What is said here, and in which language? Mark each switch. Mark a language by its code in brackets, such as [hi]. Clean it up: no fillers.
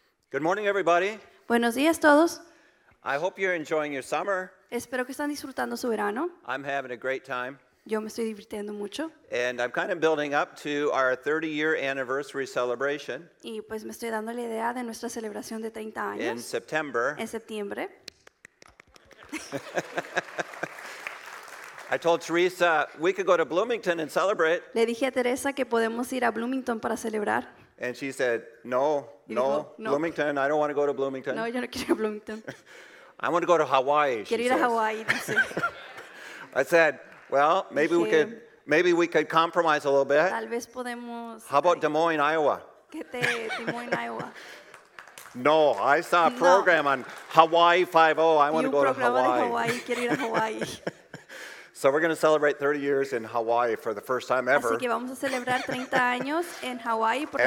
[en] Good morning, everybody. [es] Buenos días, todos. [en] I hope you're enjoying your summer. [es] Espero que están disfrutando su verano. [en] I'm having a great time. [es] Yo me estoy divirtiendo mucho. [en] And I'm kind of building up to our 30-year anniversary celebration. [es] Y pues me estoy dando la idea de nuestra celebración de 30 años. [en] In September. [es] En septiembre. [en] I told Teresa we could go to Bloomington and celebrate. [es] Le dije a Teresa que podemos ir a Bloomington para celebrar. [en] And she said, no, no, [es] dijo, no, [en] Bloomington, I don't want to go to Bloomington. [es] No, yo no quiero ir a Bloomington. [en] I want to go to Hawaii, [es] quiero [en] she [es] ir a Hawaii, dice. [en] I said, well, maybe [es] dije, [en] we could compromise a little bit. [es] Tal vez podemos. [en] How about Des Moines, Iowa? [es] Des Moines, Iowa. [en] No, I saw a program on Hawaii 5-0. I want to go to Hawaii. [es] De Hawaii. Quiero ir a Hawaii. [en] So we're going to celebrate 30 years in Hawaii for the first time ever. [es] Así que vamos a celebrar 30 años en Hawaii por la